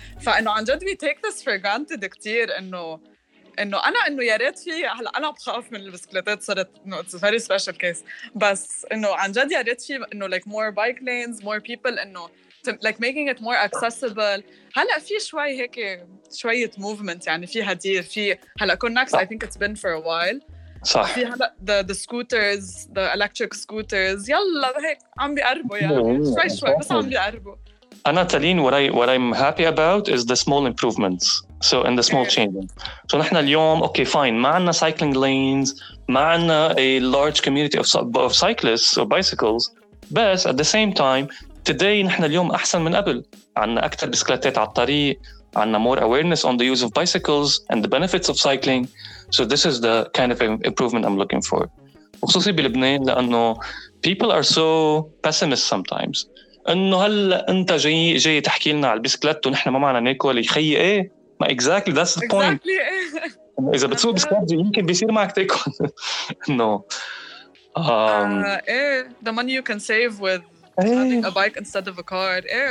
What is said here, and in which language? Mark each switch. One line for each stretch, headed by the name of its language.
Arabic: فإنه عن جد
English: we take this for granted
Arabic: كتير, إنه أنا إنه يا ريت في, هلا أنا بخاف من البسكليتات, صارت إنه
English: it's a very special case,
Arabic: بس إنه عن جد يا ريت في إنه
English: like more bike lanes, more people, إنه like making it more accessible.
Arabic: هلا في شوي هيك شوية movement, يعني في هدير, في هلا كونكس,
English: I think it's been for a while.
Arabic: صح. في هلا
English: the scooters, the electric scooters,
Arabic: يلا هيك عم بيقربوا, يعني شوي عم بيقربوا.
English: أنا تلين, what I'm happy about is the small improvements. So and the small changes. So
Arabic: نحن اليوم,
English: okay, fine,
Arabic: ما عنا
English: cycling lanes, ما عنا a large community of cyclists or bicycles. But at the same time, today
Arabic: نحن اليوم أحسن من قبل. عنا أكثر بسكليتات على الطريق.
English: عنا more awareness on the use of bicycles and the benefits of cycling. So this is the kind of improvement I'm looking for.
Arabic: خصوصي بلبنان, لأنه
English: people are so pessimist sometimes.
Arabic: إنه هلا أنت جاي تحكي لنا على البسكليت ونحن ما معنا ناكل, يخي إيه؟ ما
English: exactly, that's the point. Exactly.
Arabic: إذا بتسوق بسكليت يمكن بيصير معك تاكل.
English: No. The money you can save with having a bike instead of a car.